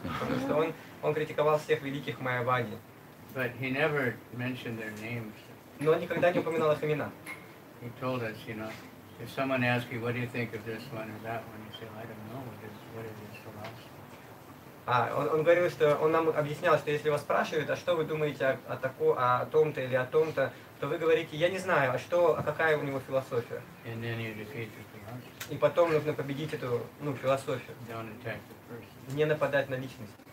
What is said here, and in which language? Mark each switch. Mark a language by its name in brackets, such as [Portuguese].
[Russian] Потому что он критиковал всех великих майявади. [English] But he never mentioned their names. [Russian] Но он никогда не упоминал их имена. [English] He told us, you know, if someone asks you, what do you think of this one or that one, you say, well, I don't know, what is this philosophy? [Russian] А, он говорил, что он нам объяснял, что если вас спрашивают, а что вы думаете о том-то или о том-то, то вы говорите, я не знаю, а какая у него философия. [English] And then you defeat. [Russian] И потом нужно победить эту, ну, философию. Не нападать на личность.